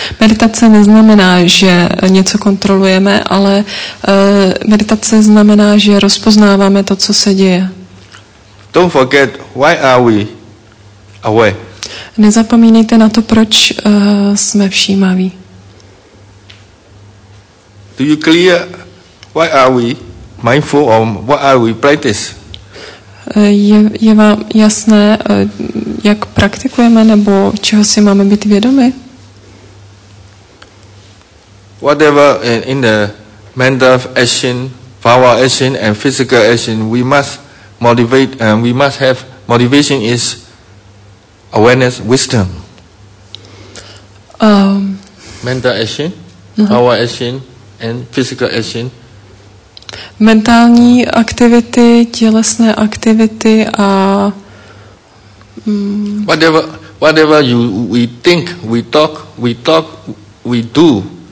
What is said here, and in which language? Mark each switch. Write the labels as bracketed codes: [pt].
[cs] Meditace neznamená, že něco kontrolujeme, ale meditace znamená, že rozpoznáváme to, co se děje. [en] Don't forget why are we aware. [cs] Nezapomínejte na to, proč jsme všímaví. [en] Do you clear why are we mindful or what are we practice? [cs] Je vám jasné, jak praktikujeme nebo čeho si máme být vědomi? [en] Whatever in the mental action, power action and physical action, we must motivate and we must have motivation is awareness, wisdom. Mental action, power action and physical action. [cs] Mentální aktivity, tělesné aktivity a [en] whatever you we think, we talk, we do.